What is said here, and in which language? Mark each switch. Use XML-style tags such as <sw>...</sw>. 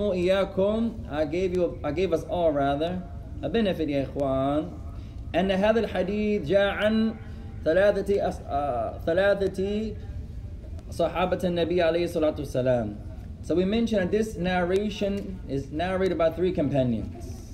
<en>I gave us all a benefit,</en> <ar>يا إخوان. أن هذا الحديث جاء عن ثلاثة صحابة النبي عليه الصلاة والسلام.</ar> <en>So we mentioned that this narration is narrated by three companions.</en>